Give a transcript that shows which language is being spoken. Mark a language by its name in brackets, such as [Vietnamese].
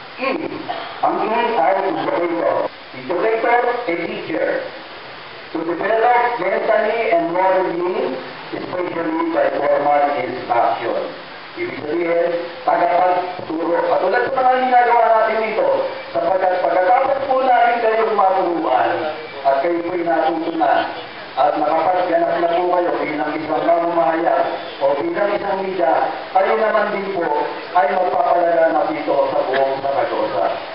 [Filipino] In, ang in ay interpreter. [English] Interpreter, a teacher. To develop mentally and morally, especially by formal instruction. [Filipino] Ibig sabihin, tagapagturo. Patulad sa mga ginagawa natin dito, sapagkat pagkatapos po namin kayong maturuan, at kayo po'y natutunan, at nakapagganap na po kayo bilang isang mamamahayag o bilang isang media, kayo naman din po ay magpapalaganap dito sa buong Saragosa.